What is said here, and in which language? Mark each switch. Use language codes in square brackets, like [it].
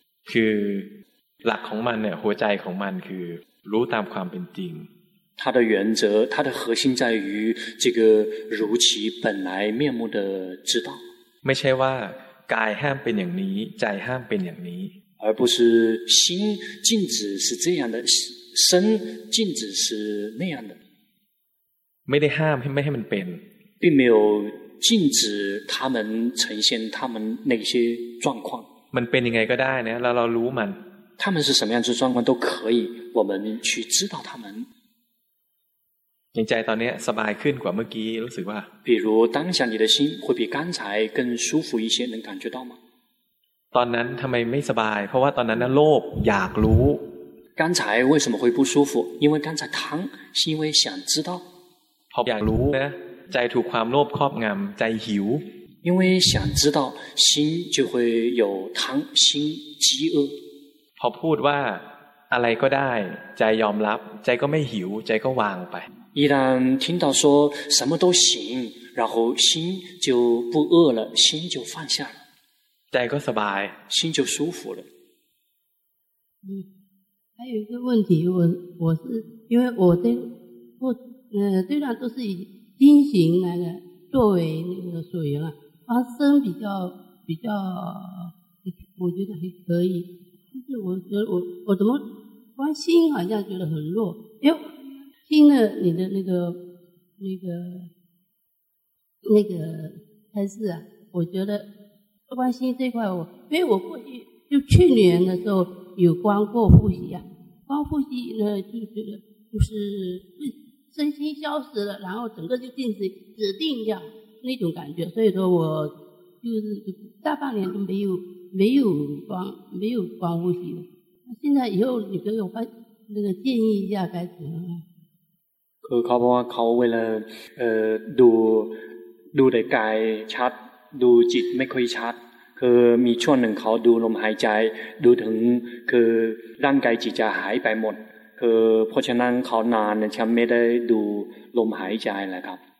[th] คือหลักของมันเนี่ยหัวใจของมันคือรู้ตามความเป็นจริง [zh] 它的原则它的核心在于这个如其本来面目的知道 [th] ไม่ใช่ว่ากายห้ามเป็นอย่างนี้ใจห้ามเป็นอย่างนี้ [zh] 而不是心禁止是这样的身禁止是那样的 [th] ไม่ได้ห้ามไม่ให้มันเป็น [zh] 并没有禁止他们呈现他们那些状况 [th] มันเป็นยังไงก็ได้นะเรารู้มัน [zh] 他们是什么样子状况都可以我们去知道他们 [th] ยังใจตอนนี้สบายขึ้นกว่าเมื่อกี้รู้สึกว่า [zh] 比如当下你的心会比刚才更舒服一些能感觉到吗 [th] ตอนนั้นทำไมไม่สบายเพราะว่าตอนนั้นโลภอยากรู้ [zh] 刚才为什么会不舒服因为刚才疼是因为想知道 [th] พออยากรู้นะใจถูกความโลภครอบงำใจหิว [zh] 因为想知道心就会有贪心饥饿 [th] พอพูดว่าอะไรก็ได้ใจยอมรับใจก็ไม่หิวใจก็วางไป [zh] 一旦听到说什么都行然后心就不饿了心就放下了 [th] ใจก็สบาย [zh] 心就舒服了还有一个问题我是因为我对我对他都是以心行来的作为那个所缘啊，发生比较，我觉得还可以。但是我觉得我怎么发心好像觉得很弱。哎呦，听了你的那个开示啊，我觉得发心这块我，因为我过去就去年的时候有观过呼吸啊，观呼吸呢就觉得就是。身心消失了然后整个就静止定掉那种感觉所以说我就是大半年都没有光呼吸了。现在以后你给我发那个建议一下该怎么办？ [th] คือเขาบอกว่าเขาเวลาดูแต่กายชัดดูจิตไม่ค่อยชัดคือมีช่วงหนึ่งเขาดูลมหายใจดูถึงคือร่างกายจิตจะหายไปหมดคือเพราะฉะนั้นเขานานฉันไม่ได้ดูลมหายใจแหละครับ